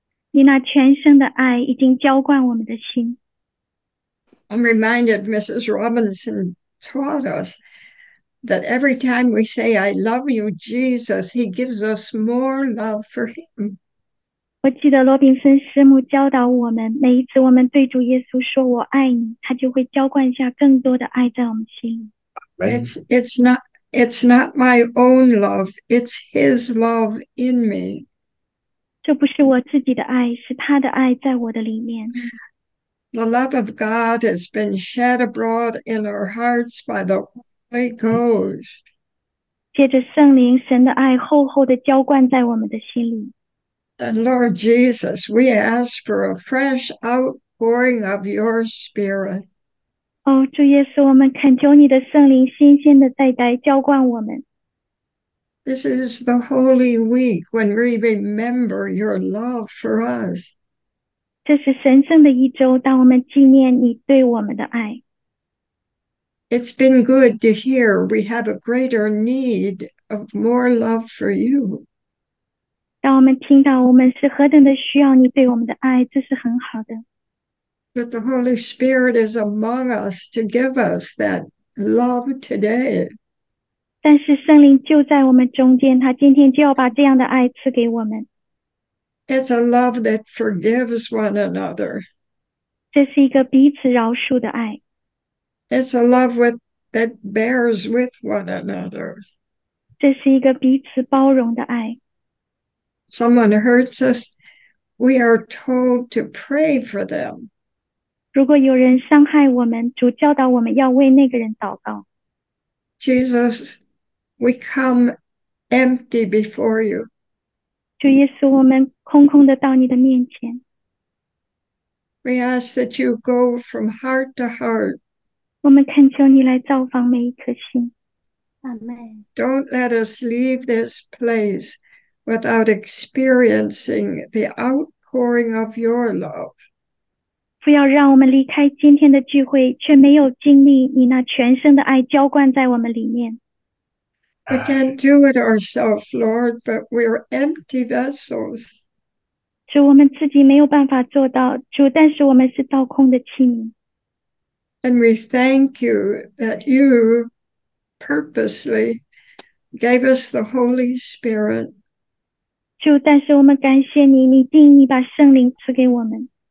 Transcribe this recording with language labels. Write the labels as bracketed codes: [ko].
[zh] 你那全盛的爱已经浇灌我们的心。 [en] I'm reminded Mrs. Robinson taught us that every time we say, I love you, Jesus, he gives us more love for him. [zh] 我记得罗宾逊师母教导我们，每一次我们对主耶稣说"我爱你"，他就会浇灌下更多的爱在我们心里。 [en] It's not my own love, it's his love in me. [zh] 这不是我自己的爱，是他的爱在我的里面。 [en] The love of God has been shed abroad in our hearts by the Holy Ghost. [zh] 借着圣灵，神的爱厚厚的浇灌在我们的心里。 [en] And Lord Jesus, we ask for a fresh outpouring of your Spirit. [zh] 哦，主耶稣，我们恳求你的圣灵，新鲜的再来浇灌我们。 [en] This is the Holy Week when we remember your love for us. [zh] 这是神圣的一周，当我们纪念你对我们的爱。 [en] It's been good to hear we have a greater need of more love for you. [zh] 让我们听到我们是何等的需要你对我们的爱，这是很好的。 [en] That the Holy Spirit is among us to give us that love today. [zh] 但是圣灵就在我们中间，他今天就要把这样的爱赐给我们。 [en] It's a love that forgives one another. [zh] 这是一个彼此饶恕的爱。 [en] It's a love that bears with one another. [zh] 这是一个彼此包容的爱。 [en] Someone hurts us, we are told to pray for them. [zh] 如果有人伤害我们，主教导我们要为那个人祷告。 [en] Jesus, we come empty before you. [zh] 主耶稣，我们空空的到你的面前。 [en] We ask that you go from heart to heart. [zh] 我们恳求你来造访每一颗心。 [en] Amen。 Don't let us leave this place without experiencing the outpouring of your love. [zh] 不要让我们离开今天的聚会，却没有经历你那全身的爱浇灌在我们里面。 [en] We can't do it ourselves, Lord, but we're empty vessels. [zh] 主，我们自己没有办法做到，主，但是我们是倒空的器皿。 [en] And we thank you that you purposely gave us the Holy Spirit. [zh] 主，但是我们感谢你，你定义把圣灵赐给我们。